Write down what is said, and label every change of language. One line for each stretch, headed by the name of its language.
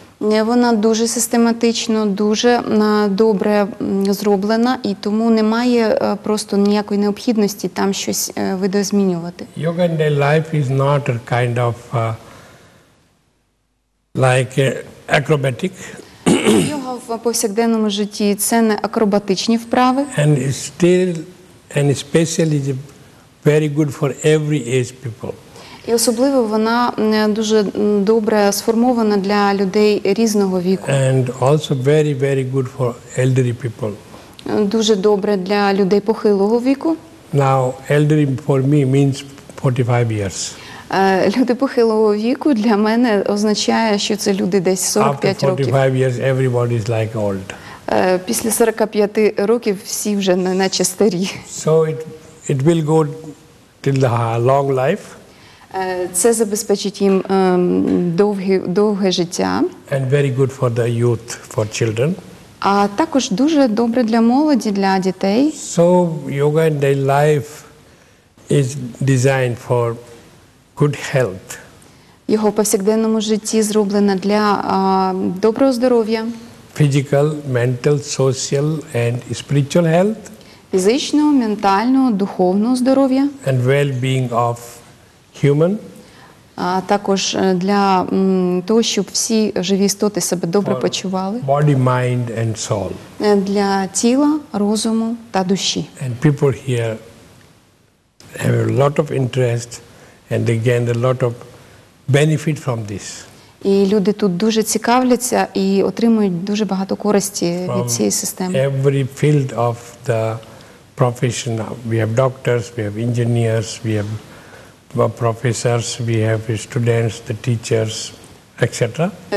Ukrainian: Вона дуже систематично, дуже добре зроблена, і тому немає просто ніякої необхідності там щось видозмінювати.
English: Yoga in daily life is not a kind of like acrobatic.
Ukrainian: Йога в повсякденному житті – це не акробатичні вправи.
English: And still, and especially very good for every age people.
Ukrainian: І особливо вона дуже добре сформована для людей різного віку.
English: And also very, very good for elderly people.
Ukrainian: Дуже добре для людей похилого віку.
English: Now, elderly for me means 45 years.
Ukrainian: Люди похилого віку для мене означає, що це люди десь 45 років.
English: After 45 years, everybody is like old.
Ukrainian: Після 45 років всі вже не наче старі.
English: So it will go till the long life.
Ukrainian: Це забезпечить їм довге життя.
English: And very good for the youth, for children.
Ukrainian: А також дуже добре для молоді, для дітей.
English: So yoga in daily life is designed for good health.
Ukrainian: Його в повсякденному житті зроблена для доброго здоров'я.
English: Physical, mental, social and spiritual health.
Ukrainian: Фізичного, ментального, духовного здоров'я.
English: And well-being of human.
Ukrainian: А також для того, щоб всі живі істоти себе добре почували.
English: Body, mind and soul.
Ukrainian: Для тіла, розуму та душі.
English: And people here have a lot of interest and they gain a lot of benefit from this.
Ukrainian: І люди тут дуже цікавляться і отримують дуже багато користі від цієї системи.
English: From every field of the profession. We have doctors, we have engineers, we have professors, we have students, the teachers, etc.